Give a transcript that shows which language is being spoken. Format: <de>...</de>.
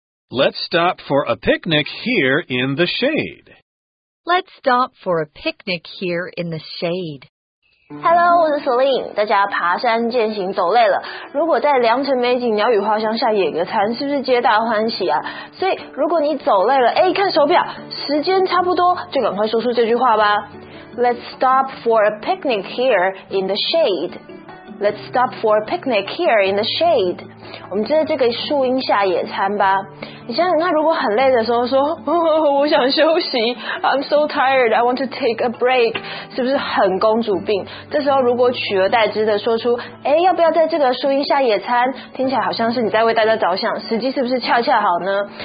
<en>Let's stop for a picnic here in the shade. Let's stop for a picnic here in the shade.</en> <zh>Hello, 我是 Celine. 大家爬山健行走累了，如果在良辰美景鸟语花香下野个餐，是不是皆大欢喜啊？所以如果你走累了，哎，看手表，时间差不多，就赶快说出这句话吧。</zh> <en>Let's stop for a picnic here in the shade. Let's stop for a picnic here in the shade.</en> <zh>我们就在这个树荫下野餐吧。你想想看，如果很累的时候说，我想休息 ，</zh> <en>I'm so tired, I want to take a break，</en> <zh>是不是很公主病？这时候如果取而代之的说出，哎，要不要在这个树荫下野餐？听起来好像是你在为大家着想，时机是不是恰恰好呢？</zh>